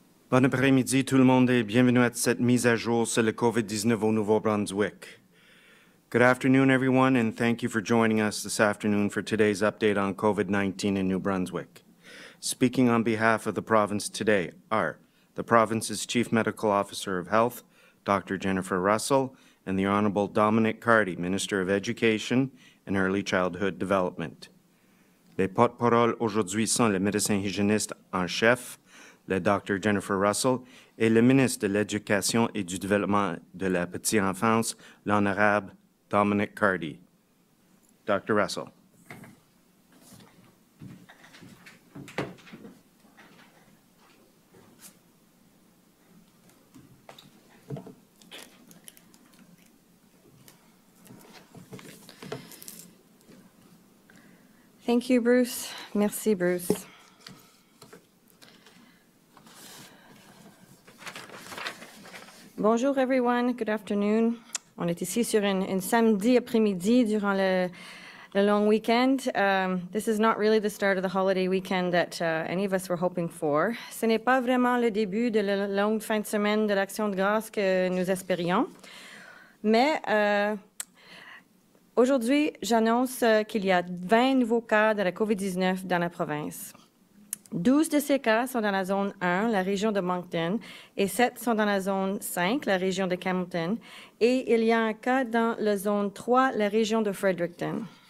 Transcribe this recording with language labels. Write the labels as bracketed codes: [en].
[fr] Bon après-midi tout le monde et bienvenue à cette mise à jour sur le COVID-19 au Nouveau-Brunswick. [en] Good afternoon everyone and thank you for joining us this afternoon for today's update on COVID-19 in New Brunswick. Speaking on behalf of the province today are the province's Chief Medical Officer of Health, Dr. Jennifer Russell, and the Honourable Dominic Cardy, Minister of Education and Early Childhood Development. [fr] Les porte-parole aujourd'hui sont le médecin hygiéniste en chef, le Dr. Jennifer Russell, et le ministre de l'Éducation et du Développement de la Petite Enfance, l'Honorable Dominic Cardy. Dr. Russell. [en] Thank you, Bruce. [fr] Merci, Bruce. [en] Bonjour, everyone. Good afternoon. [fr] On est ici sur un samedi après-midi durant le long weekend. [en] This is not really the start of the holiday weekend that any of us were hoping for. [fr] Ce n'est pas vraiment le début de la longue fin de semaine de l'Action de grâce que nous espérions. Mais aujourd'hui, j'annonce qu'il y a 20 nouveaux cas de la COVID-19 dans la province. 12 de ces cas sont dans la zone 1, la région de Moncton, et 7 sont dans la zone 5, la région de Campton, et il y a un cas dans la zone 3, la région de Fredericton.